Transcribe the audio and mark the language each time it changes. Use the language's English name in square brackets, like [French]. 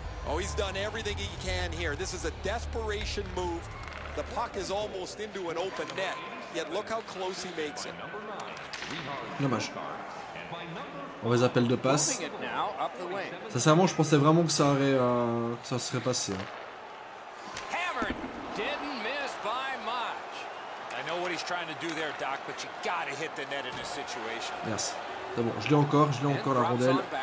[English] Oh, he's done everything he can here. This is a desperation move. The puck is almost into an open net. Yet look how close he makes it. [French] Dommage. On va les appels de passe. Sincèrement, je pensais vraiment que ça aurait que ça serait passé. [English] Hammered didn't miss by much. I know what he's trying to do there, Doc, but you gotta hit the net in this situation. [French] Merci. C'est bon, je l'ai encore la rondelle.